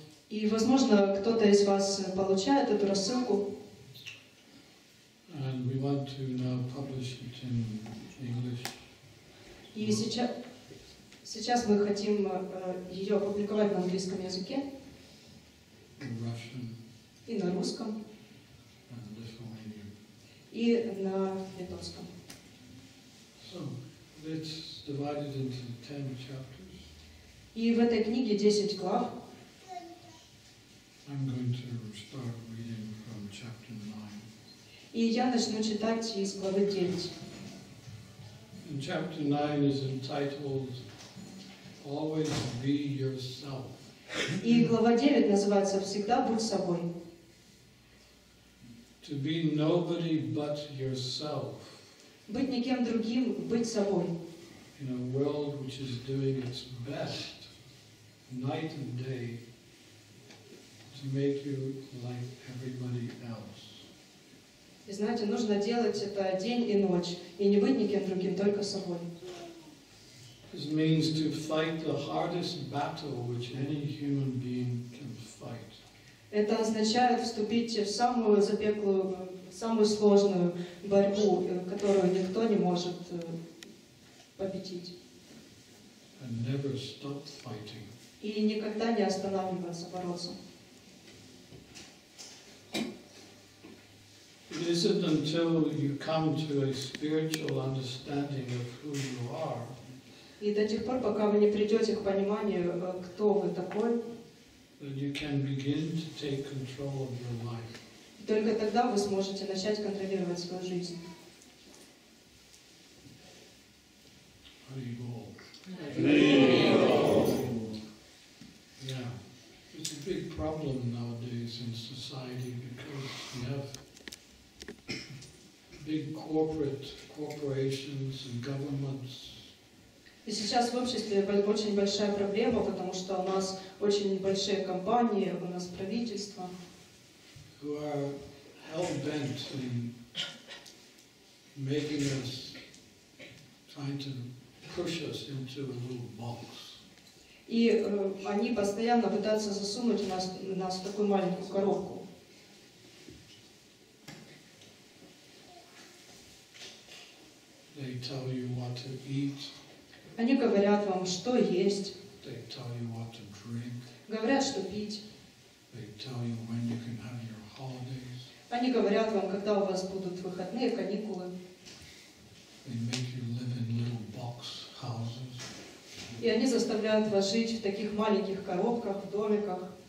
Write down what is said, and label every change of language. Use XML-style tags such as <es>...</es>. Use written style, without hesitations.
<ru>И, возможно, кто-то из вас получает эту рассылку.</ru> <en>And we want to now publish it in English.</en> <ru>И сейчас мы хотим ее опубликовать на английском языке.</ru> <en>In Russian.</en> <ru>И на русском.</ru> <en>And Lithuanian.</en> <ru>И на литовском.</ru> <en>So let's divide it into 10 chapters.</en> <ru>И в этой книге 10 глав.</ru> <en>I'm going to start reading from chapter 9.</en> <ru>И я начну читать из главы 9.</ru> <en>Chapter 9 is entitled Always Be Yourself.</en> <ru>И глава 9 называется Всегда будь собой.</ru> <en>To be nobody but yourself.</en> <ru>Быть никем другим, быть собой.</ru> <en>In a world which is doing its best night and day to make you like everybody else.</en> <ru>И знаете, нужно делать это день и ночь, и не быть никем другим, только собой.</ru> <en>This means to fight the hardest battle which any human being can fight.</en> <ru>Это означает вступить в самую запеклую, самую сложную борьбу, которую никто не может победить.</ru> <en>And never stop fighting.</en> <ru>И никогда не останавливаться, бороться.</ru> <en>It isn't until you come to a spiritual understanding of who you are.</en> <ru>И до тех пор, пока вы не придете к пониманию, кто вы такой.</ru> <en>That you can begin to take control of your life.</en> <ru>Только тогда вы сможете начать контролировать свою жизнь.</ru> <en>Are you all? Yeah, it's a big problem nowadays in society because we have big corporations and governments.</en> <ru>И сейчас в обществе очень большая проблема, потому что у нас очень большие компании, у нас правительство.</ru> <en>Who are hell-bent in making us, trying to push us into a little box.</en> <ru>И они постоянно пытаются засунуть нас в такую маленькую коробку.</ru> <en>They tell you what to eat.</en> <ru>Они говорят вам, что есть.</ru> <en>They tell you what to drink.</en> <ru>Говорят, что пить.</ru> <en>They tell you when you can have your holidays.</en> <ru>Они говорят вам, когда у вас будут выходные, каникулы.</ru> <en>They make you live in little box houses.</en> <ru>И они заставляют вас жить в таких маленьких коробках, в домиках.</ru>